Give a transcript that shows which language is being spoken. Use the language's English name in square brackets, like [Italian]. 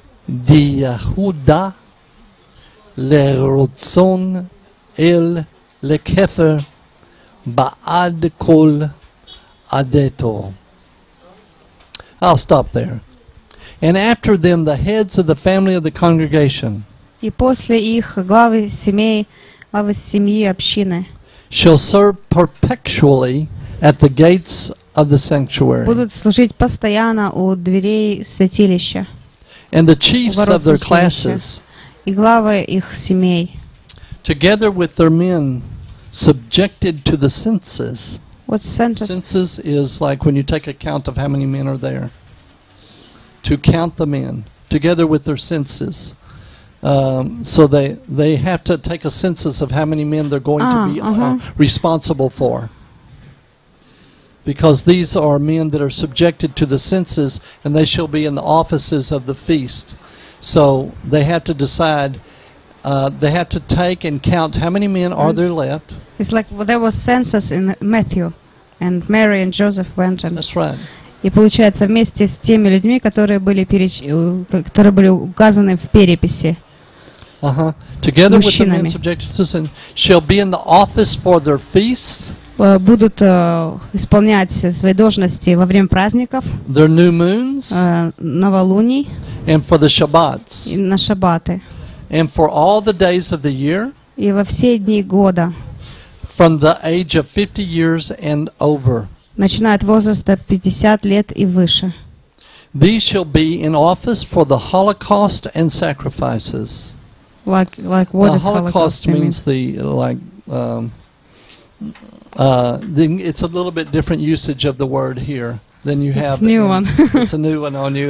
[Hebrew] דיהודה לרצון אל לכפר בעד כל עדתו. [English] I'll stop there. And after them, the heads of the family of the congregation. [Russian] И после их главы семей, главы семьи общины. [English] Shall serve perpetually at the gates of the sanctuary. [Russian] Будут служить постоянно у дверей святилища. [English] And the chiefs of their classes. [Russian] И главы их семей. [English] Together with their men, subjected to the census. What's census? Census is like when you take account of how many men are there. To count the men together with their census, so they have to take a census of how many men they're going to be responsible for, because these are men that are subjected to the census, and they shall be in the offices of the feast. So they have to decide. They have to take and count how many men are there left. It's like, well, there was census in Matthew, and Mary and Joseph went and. That's right. [Russian] И получается, вместе с теми людьми, которые были указаны в переписи. [English] Together with the men subjected to sin shall be in the office for their feast. [Russian] будут исполнять свои должности во время праздников, [English] their new moons, [Russian] новолуний, [English] and for the Shabbats, [Russian] и на шабаты, [English] and for all the days of the year, [Russian] и во все дни года, [English] from the age of 50 years and over, [Russian] начиная от возраста 50 лет и выше. [English] These shall be in office for the Holocaust and sacrifices. Like what the Holocaust means the like it's a little bit different usage of the word here than you have. It's a new one. It's a new one on you.